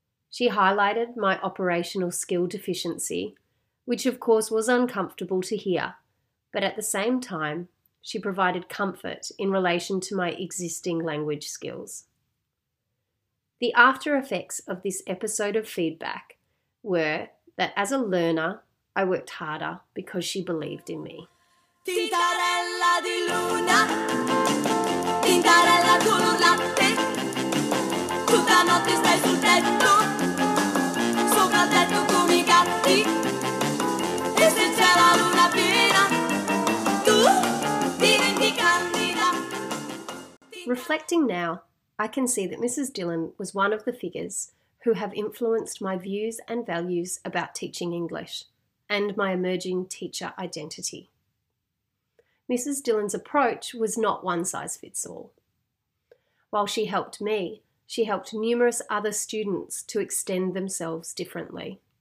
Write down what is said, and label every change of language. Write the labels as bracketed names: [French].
[English] She highlighted my operational skill deficiency, which of course was uncomfortable to hear, but at the same time, she provided comfort in relation to my existing language skills. The after effects of this episode of feedback were that as a learner, I worked harder because she believed in me. [Italian] Tintarella di luna, tintarella tu non latte, tutta notte stai sul tetto, sopra il tetto come i gatti, e se c'è la luna piena, tu diventi candida. [English] Reflecting now, I can see that Mrs. Dillon was one of the figures who have influenced my views and values about teaching English and my emerging teacher identity. Mrs. Dillon's approach was not one size fits all. While she helped me, she helped numerous other students to extend themselves differently.